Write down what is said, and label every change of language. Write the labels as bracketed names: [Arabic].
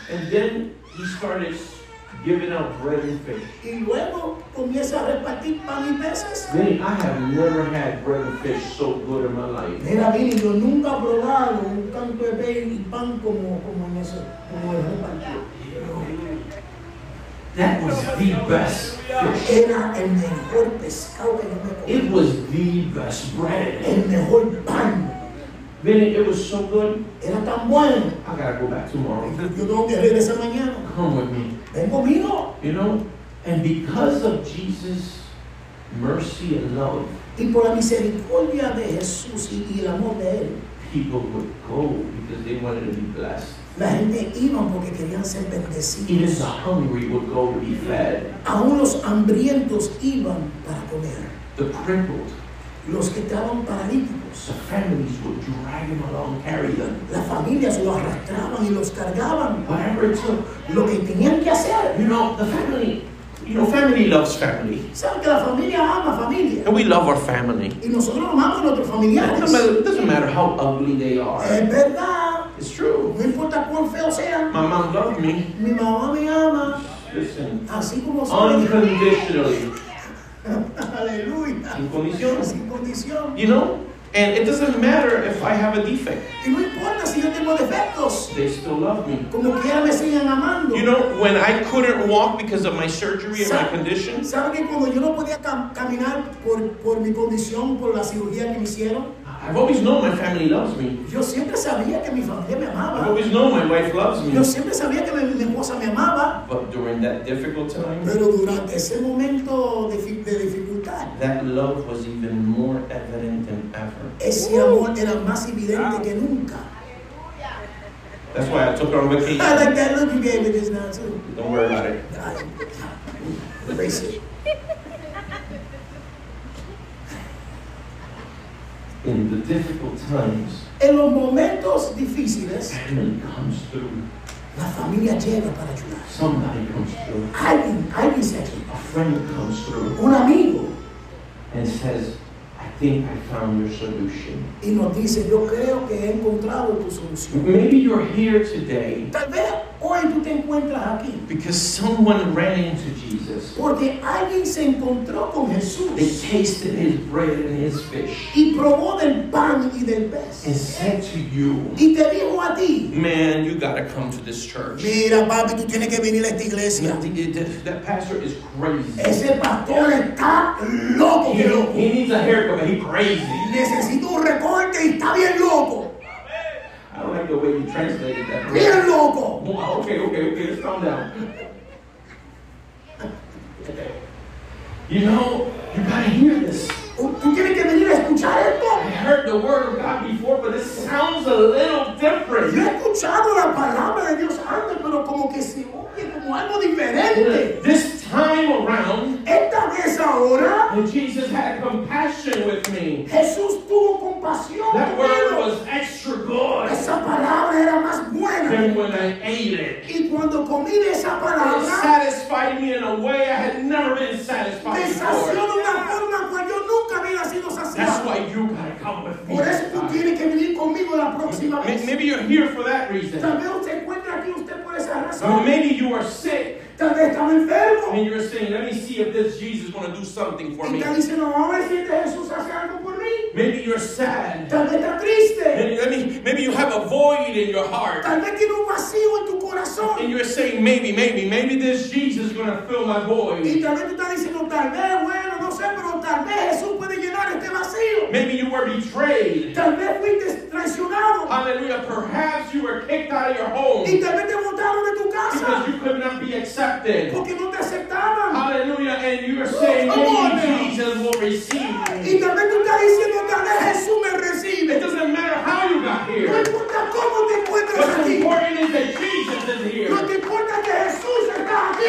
[English] And then he started giving out bread and fish. [Spanish] Y luego comienza a repartir pan y peces. [English] Man, I have never had bread and fish so good in my life. [Spanish] Mira, Vini, yo nunca he probado un tanto de pan como en ese. Como el pan. [English] That was the best fish. [Spanish] Era el mejor pescado que yo me comí. [English] It was the best bread. [Spanish] El mejor pan. [English] Vinny, it was so good. [Spanish] Era tan bueno. [English] I gotta go back tomorrow. [Spanish] Yo tengo que regresar mañana. [English] Come with me. [Spanish] Ven conmigo. [English] You know, and because of Jesus' mercy and love, [Spanish] y por la misericordia de Jesús y el amor de él, [English] people would go because they wanted to be blessed. [Spanish] La gente iba porque querían ser bendecidos. [English] Even the hungry would go to be fed. [Spanish] Aún los hambrientos iban para comer. [English] The crippled. [Spanish] Los que estaban paralíticos. [English] The families would drag them along, carry them. [Spanish] Las familias los arrastraban y los cargaban. [English] Whatever it took. [Spanish] Lo que tenían que hacer. [English] You know, the family. You know, family loves family. [Spanish] ¿Sabes que la familia ama familia? [English] And we love our family. [Spanish] Y nosotros amamos nuestros familiares. [English] It doesn't matter how ugly they are. [Spanish] Es verdad. [English] It's true. [Spanish] No importa cuán feo sean. [English] My mom loved me. [Spanish] Mi mamá me ama. [English] Listen. [Spanish] Así como [English] unconditionally. Hallelujah. [Spanish] Sin condición. Sin condición. [English] You know? And it doesn't matter if I have a defect. [Spanish] Y no importa si yo tengo defectos. [English] They still love me. [Spanish] Como quiera me siguen amando. [English] You know, when I couldn't walk because of my surgery and my condition. [Spanish] ¿Sabe que cuando yo no podía caminar por mi condición, por la cirugía que me hicieron? [English] I've always known my family loves me. [Spanish] Yo siempre sabía que mi familia me amaba. [English] I've always known my wife loves me. [Spanish] Yo siempre sabía que mi esposa me amaba. [English] But during that difficult time, [Spanish] pero durante ese momento de dificultad, [English] that love was even more evident than ever. [Spanish] Ese amor era más evidente que nunca. [English] That's why I took her on vacation. I like that look you gave me just now too. Don't worry about it. Erase it. In the difficult times, [Spanish] en los momentos difíciles, [English] family comes through. [Spanish] La familia llega para ayudar. [English] Somebody comes through. [Spanish] Alguien se aquí. [English] A friend comes through. [Spanish] Un amigo. [English] And says, I think I found your solution. [Spanish] Y nos dice, yo creo que he encontrado tu solución. [English] Maybe you're here today. [Spanish] Tal vez hoy tú te encuentras aquí. [English] Because someone ran into Jesus. [Spanish] Porque alguien se encontró con Jesús. [English] They tasted his bread and his fish. [Spanish] Y probó del pan y del pez. [English] And said to you. [Spanish] Y te dijo a ti. [English] Man, you gotta come to this church. [Spanish] Mira, papi, tú tienes que venir a esta iglesia. [English] That pastor is crazy. [Spanish] Ese pastor está loco. [English] He needs a haircut, but he's crazy. [Spanish] Necesito un recorte y está bien loco. [English] I don't like the way you translated that. [Spanish] Bien loco. [English] Okay, just calm down. You know, you gotta hear this. [Spanish] Tú tienes que venir a escuchar esto. [English] I heard the word of God before, but this sounds a little different. [Spanish] Yo he escuchado la palabra de Dios antes, pero como que se oye como algo diferente. [English] This time around, [Spanish] esta vez ahora, [English] when Jesus had compassion with me, [Spanish] Jesús tuvo compasión. [English] That word was extra good. [Spanish] Esa palabra era más buena. [English] Than when I ate it. [Spanish] Y cuando comí de esa palabra, [English] it satisfied me in a way I had never been satisfied [Spanish] me [English] before. [Spanish] De una forma que yo nunca. [English] That's why you gotta come with me. [Spanish] Por eso tú tienes que venir conmigo la próxima vez. [English] Maybe you're here for that reason. [Spanish] Tal vez usted encuentra aquí usted por esa razón. [English] Or maybe you are sick. [Spanish] Tal vez estás enfermo. [English] And you're saying, let me see if this Jesus is gonna do something for me. [Spanish] Y está diciendo, a ver si este Jesús hace algo por mí. [English] Maybe you're sad. [Spanish] Tal vez estás triste. [English] Maybe you have a void in your heart. [Spanish] Tal vez tienes un vacío en tu corazón. [English] And you're saying, maybe this Jesus is gonna fill my void. [Spanish] Y tal vez tú estás diciendo, tal vez bueno, no sé, pero tal vez Jesús puede llenar este vacío. [English] Maybe you were betrayed. [Spanish] Tal vez fuiste traicionado. [English] Hallelujah. Perhaps you were kicked out of your home. [Spanish] Y tal vez te botaron de tu casa. [English] Because you could not be accepted. [Spanish] Porque no te aceptaban. [English] Hallelujah. And you are saying, maybe Jesus will receive me. [Spanish] Y tal vez tú estás diciendo, tal vez Jesús me recibe. [English] It doesn't matter how you got here. [Spanish] No importa cómo te encuentras aquí. [English] important is that Jesus is here. [Spanish] Lo que importa es que Jesús está aquí.